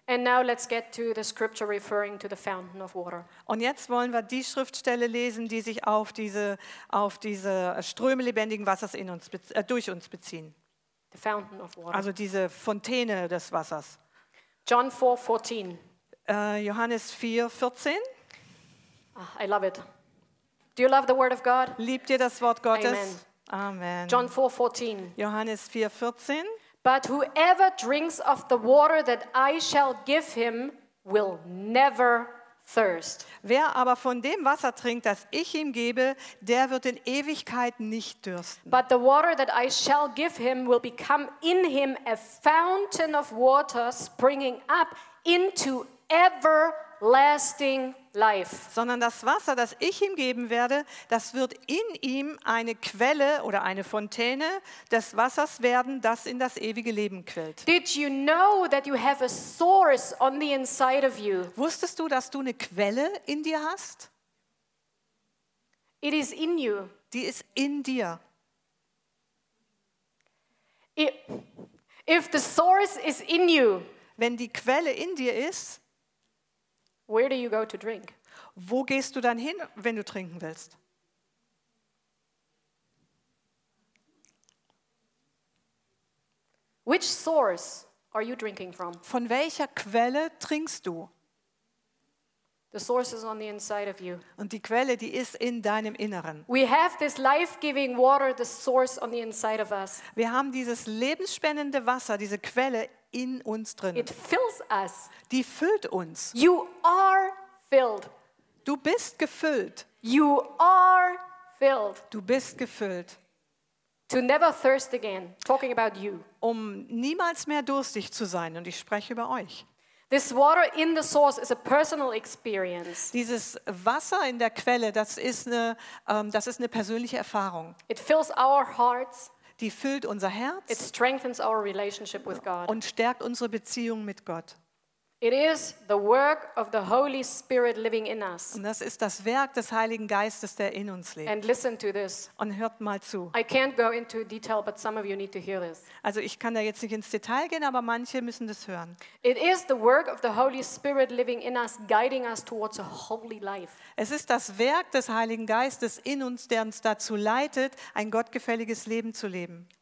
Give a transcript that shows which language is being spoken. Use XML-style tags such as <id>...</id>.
<en>And now let's get to the scripture referring to the fountain of water.</en> <de>Und jetzt wollen wir die Schriftstelle lesen, die sich auf diese Ströme lebendigen Wassers in uns, durch uns beziehen.</de> <en>The fountain of water.</en> <de>Also diese Fontäne des Wassers.</de> <en>John 4, 14.</en> <de>Johannes 4, 14.</de> <en>I love it. Do you love the word of God?</en> <de>Liebt ihr das Wort Gottes?</de> <en>Amen. Amen. John 4, 14.</en> <de>Johannes 4, 14.</de> <en>But whoever drinks of the water that I shall give him will never thirst.</en> <de>Wer aber von dem Wasser trinkt, das ich ihm gebe, der wird in Ewigkeit nicht dürsten.</de> <en>But the water that I shall give him will become in him a fountain of water springing up into everlasting life.</en> <de>Sondern das Wasser, das ich ihm geben werde, das wird in ihm eine Quelle oder eine Fontäne des Wassers werden, das in das ewige Leben quillt.</de> <en>Did you know that you have a source on the inside of you?</en> <de>Wusstest du, dass du eine Quelle in dir hast?</de> <en>It is in you.</en> <de>Die ist in dir.</de> <en>If the source is in you,</en> <de>wenn die Quelle in dir ist,</de> <en>where do you go to drink?</en> <de>Wo gehst du dann hin, wenn du trinken willst?</de> <en>Which source are you drinking from?</en> <de>Von welcher Quelle trinkst du?</de> <en>The source is on the inside of you.</en> <de>Und die Quelle, die ist in deinem Inneren.</de> <en>We have this life-giving water, the source on the inside of us.</en> <de>Wir haben dieses lebensspendende Wasser, diese Quelle in uns drin.</de> <en>It fills us.</en> <de>Die füllt uns.</de> <en>You are filled.</en> <de>Du bist gefüllt.</de> <en>You are filled.</en> <de>Du bist gefüllt.</de> <en>To never thirst again. Talking about you.</en> <de>Um niemals mehr durstig zu sein. Und ich spreche über euch.</de> <en>This water in the source is a personal experience.</en> <de>Dieses Wasser in der Quelle, das ist eine persönliche Erfahrung.</de> <en>It fills our hearts.</en> <de>Die füllt unser Herz.</de> <en>It strengthens our relationship with God.</en> <de>Und stärkt unsere Beziehung mit Gott.</de> <en>It is the work of the Holy Spirit living in us.</en> <de>Und das ist das Werk des Heiligen Geistes, der in uns lebt.</de> <en>And listen to this.</en> <de>Und hört mal zu.</de> <en>I can't go into detail, but some of you need to hear this.</en> <de>Also ich kann da jetzt nicht ins Detail gehen, aber manche müssen das hören.</de> <en>It is the work of the Holy Spirit living in us, guiding us towards a holy life.</en> <de>Es ist das Werk des Heiligen Geistes in uns, der uns dazu leitet, ein gottgefälliges Leben zu leben.</de>